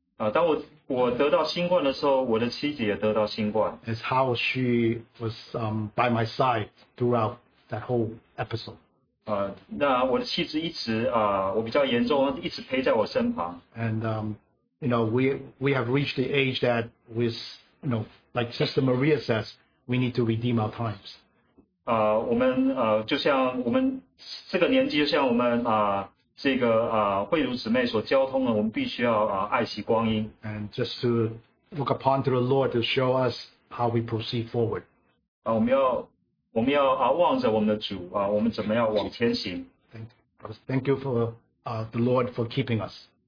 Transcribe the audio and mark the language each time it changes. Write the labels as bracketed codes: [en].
[zh] 当我得到新冠的时候，我的妻子也得到新冠。 [en] It's how she was by my side throughout that whole episode. [zh] 那我的妻子一直我比较严重，一直陪在我身旁。 [en] And You know, we have reached the age that we you know, like Sister Maria says, we need to redeem our times. [zh] 我们就像我们这个年纪，就像我们这个慧茹姊妹所交通的，我们必须要爱惜光阴。 [en] And just to look upon to the Lord to show us how we proceed forward. [zh] 我们要望着我们的主，我们怎么样往前行。 [en] Thank you for the Lord for keeping us.